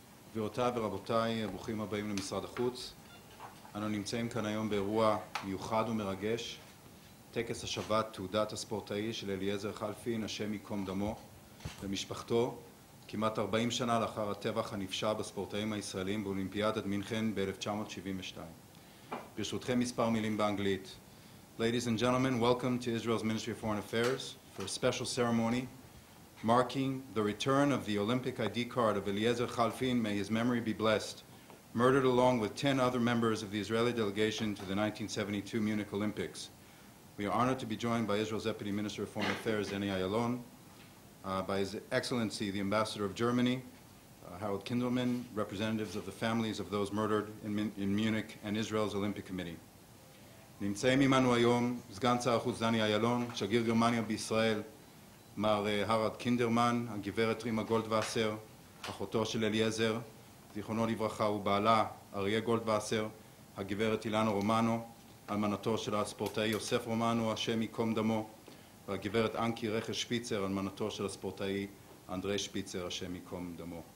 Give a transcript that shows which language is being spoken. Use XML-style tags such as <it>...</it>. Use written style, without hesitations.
<he>גבירותיי ורבותיי, ברוכים הבאים למשרד החוץ. אנו נמצאים כאן היום באירוע מיוחד ומרגש, טקס השבת תעודת הספורטאי של אליעזר חלפין, השם ייקום דמו, ומשפחתו, כמעט 40 שנה לאחר הטבח הנפשע בספורטאים הישראלים באולימפיאדת מינכן ב-1972. ברשותכם מספר מילים באנגלית.</he> <en>Ladies and gentlemen, welcome to Israel's Ministry of Foreign Affairs for a special ceremony marking the return of the Olympic ID card of Eliezer Halfin, may his memory be blessed, murdered along with 10 other members of the Israeli delegation to the 1972 Munich Olympics. We are honored to be joined by Israel's Deputy Minister of Foreign Affairs, Eni Ayalon, by His Excellency, the Ambassador of Germany, Harold Kindelman, representatives of the families of those murdered in Munich, and Israel's Olympic Committee.</en> <he>Nimtzeim imanu ayom, Sgan Shar Hachutz Eni Ayalon, Shagir Germania b'Israel, מר הרד קינדרמן, הגברת רימה גולדווסר, אחותו של אליעזר, זיכרונו לברכה, ובעלה אריה גולדווסר, הגברת אילנה רומנו, אלמנתו של הספורטאי יוסף רומנו, השם ייקום דמו, והגברת אנקי רכש שפיצר, אלמנתו של הספורטאי אנדרי שפיצר, השם ייקום דמו.</he>